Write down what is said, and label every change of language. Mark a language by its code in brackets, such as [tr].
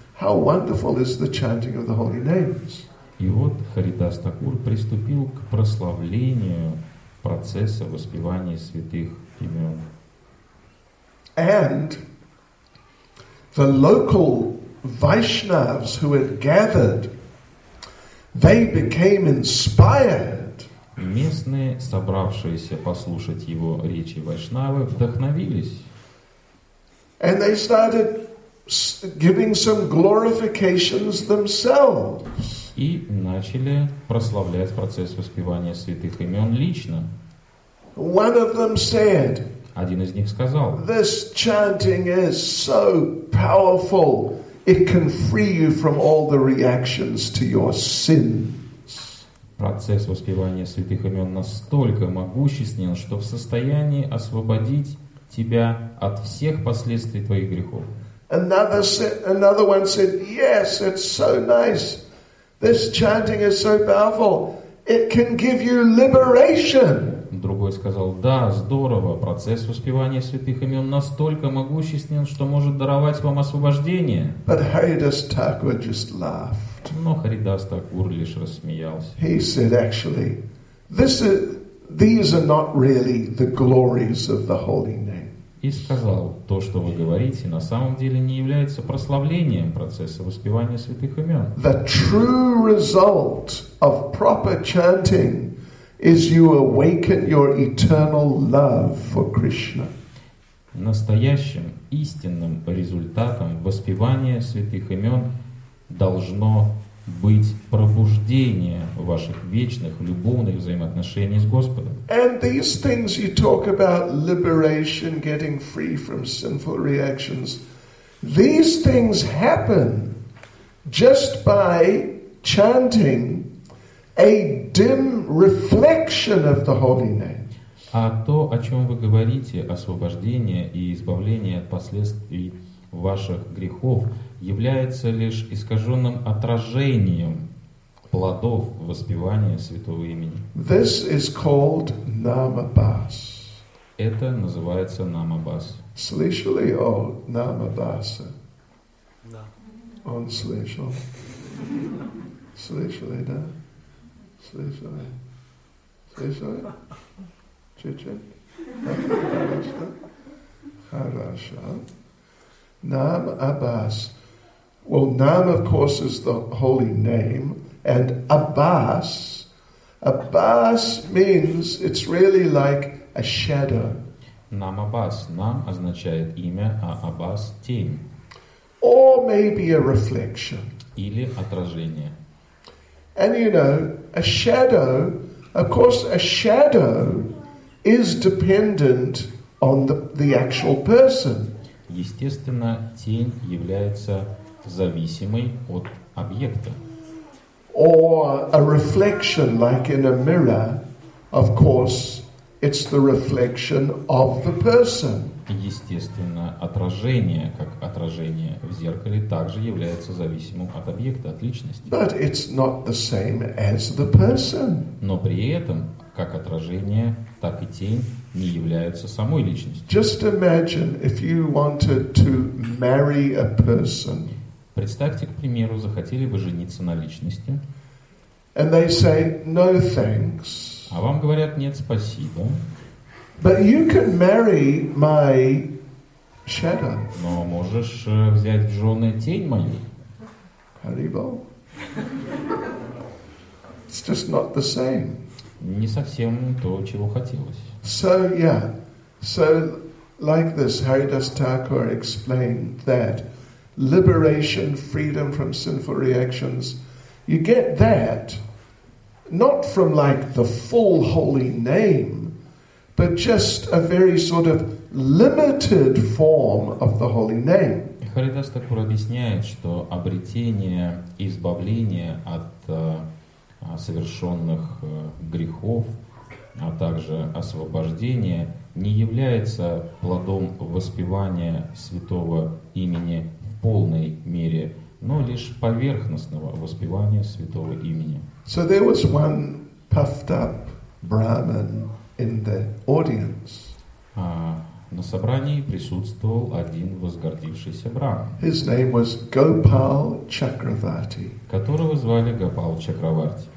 [en] How wonderful is the chanting of the holy names? [ru] И вот Харидас Такур приступил к прославлению процесса воспевания святых имен. [en] And the local Vaishnavs who had gathered, they became inspired. [ru] Местные, собравшиеся послушать его речи вайшнавы, вдохновились. [en] And they started giving some glorifications themselves. [ru] И начали прославлять процесс воспевания святых имен лично. [en] One of them said, [ru] один из них сказал, [en] this chanting is so powerful, it can free you from all the reactions to your sins. [ru] Процесс воспевания святых имен настолько могущественен, что в состоянии освободить тебя от всех последствий твоих грехов. [en] Another one said, yes, it's so nice. This chanting is so powerful. It can give you liberation. [ru] Другой сказал: "Да, здорово. Процесс воспевания святых имен настолько могущественен, что может даровать вам освобождение." [en] But Haridas Thakur just laughed. [ru] Но Харидас Такур лишь рассмеялся. [en] He said, "Actually, these are not really the glories of the holy name." [ru] И сказал: "То, что вы говорите, на самом деле не является прославлением процесса воспевания святых имен." [en] The true result of proper chanting is you awaken your eternal love for Krishna. [ru] Настоящим истинным результатом воспевания святых имен должно быть пробуждение ваших вечных любовных взаимоотношений с Господом. [en] And these things you talk about, liberation, getting free from sinful reactions, these things happen just by chanting a dim reflection of the holy name. [ru] А то, о чем вы говорите, освобождение и избавление от последствий ваших грехов, является лишь искаженным отражением плодов воспевания святого имени. [en] This is called Namabhas. [ru] Это называется Namabhas. Слышали о Namabhas? Да. Он слышал. Слышали, да? Слышали? Слышали? Чуть-чуть. Хорошо. Нам Аббас. [en] Well, Nam, of course, is the holy name, and Abbas means, it's really like a shadow. [ru] Нам Аббас. Нам означает имя, а Аббас – тень. [en] Or maybe a reflection. [ru] Или отражение. [en] And you know, a shadow, of course, a shadow is dependent on the actual person. [ru] Естественно, тень является зависимой от объекта. [en] Or a reflection, like in a mirror, of course, it's the reflection of the person. [ru] Естественно, отражение, как отражение в зеркале, также является зависимым от объекта, от личности. [en] But it's not the same as the person. [ru] Но при этом, как отражение, так и тень не являются самой личностью. [en] Just imagine if you wanted to marry a person. [ru] Представьте, к примеру, захотели бы жениться на личности. [en] And they say, no, thanks. [ru] А вам говорят, нет, спасибо. [en] But you can marry my shadow. [ru] Но можешь взять в жены тень мою. [en] Horrible. It's just not the same. [ru] Не совсем то, чего хотелось. [en] So, yeah. So, like this, Haridas Thakur explained that liberation, freedom from sinful reactions, you get that not from like the full holy name, but just a very sort of limited form of the holy name. [ru] Харидас Такур объясняет, что обретение избавления от совершенных грехов, а также освобождение, не является плодом воспевания святого имени в полной мере, но лишь поверхностного воспевания святого имени. [en] So there was one puffed up Brahmin in the audience. [ru] На собрании присутствовал один возгордившийся брахман. [en] His name was Gopal Chakravarti. [ru] Которого звали Гопал Чакраварти.